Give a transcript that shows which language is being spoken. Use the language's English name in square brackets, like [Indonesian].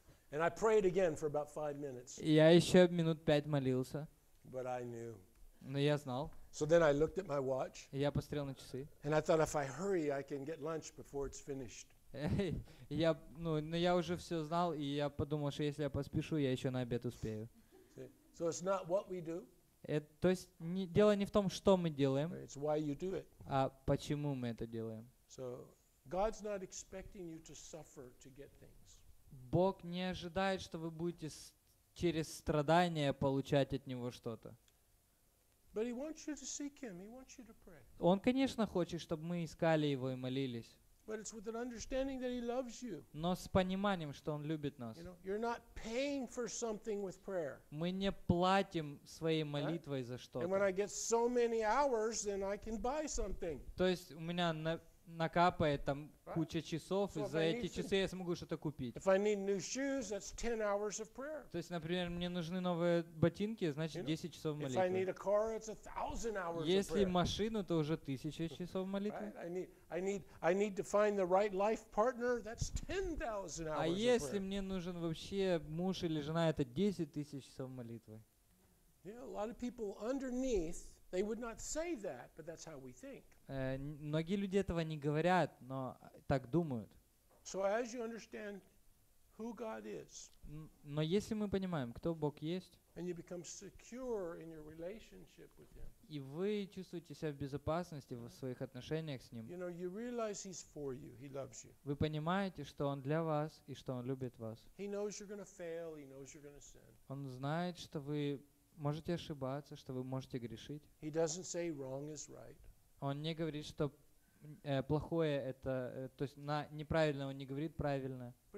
[English] And I prayed again for about 5 minutes. [Russian] Я еще минут пять молился. [English] But I knew. [Russian] Но я знал. [English] So then I looked at my watch. [Russian] Я посмотрел на часы. [English] And I thought, if I hurry, I can get lunch before it's finished. [Russian] Я, ну, но я уже все знал, и я подумал, что если я поспешу, я еще на обед успею. [English] So it's not what we do. [Russian] То есть дело не в том, что мы делаем, [English] it's why you do it. [Russian] А почему мы это делаем. [English] So God's not expecting you to suffer to get things. [Russian] Бог не ожидает, что вы будете через страдания получать от Него что-то. [English] But he wants you to seek him. He wants you to pray. [Russian] Он, конечно, хочет, чтобы мы искали Его и молились. [English] But it's with an understanding that he loves you. [Russian] Но с пониманием, что он любит нас. [English] You know, you're not paying for something with prayer. [Russian] Мы не платим своей молитвой за что-то. [English] And when I get so many hours, then I can buy something. [Russian] То есть у меня накапает там куча часов, и за эти часы я смогу что-то купить. [English] If I need new shoes, that's 10 hours of prayer. [Russian] То есть, например, мне нужны новые ботинки, значит, 10 часов молитвы. [English] If I need a car, it's 1,000 hours of prayer. [Russian] Если машину, то уже 1,000 часов молитвы. [English] I need to find the right life partner, that's 10,000 hours of prayer. [Russian] А если мне нужен вообще муж или жена, это 10,000 часов молитвы. [English] Yeah, a lot of people underneath, they would not say that, but that's how we think. [Russian] Многие люди этого не говорят, но так думают. [English] So as you understand who God is, [Russian] но если мы понимаем, кто Бог есть, [English] and you become secure in your relationship with him, [Russian] и вы чувствуете себя в безопасности в своих отношениях с Ним, [English] you know, you realize he's for you, he loves you. [Russian] Вы понимаете, что Он для вас и что Он любит вас. [English] He knows you're gonna fail, he knows you're gonna sin. [Russian] Он знает, что вы можете ошибаться, что вы можете грешить. [English] He doesn't say wrong is right. [Russian] Он не говорит, что плохое это, то есть на неправильное он не говорит правильное.